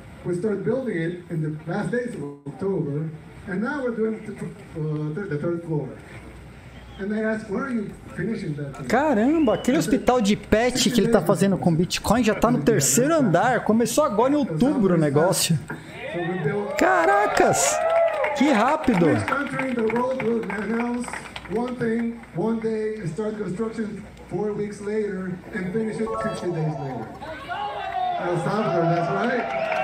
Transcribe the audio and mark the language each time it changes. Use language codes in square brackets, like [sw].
[en] We started building it in the last days of October, and now we're doing the third floor. And they asked, "Where are you finishing that?" [pt] Caramba, aquele hospital de pet que ele tá fazendo com Bitcoin já tá no terceiro andar. Começou agora em outubro o negócio. Caracas! Que rápido! [en] This country in the world will announce one thing one day, start construction 4 weeks later, and finish it 60 days later. El Salvador, that's right.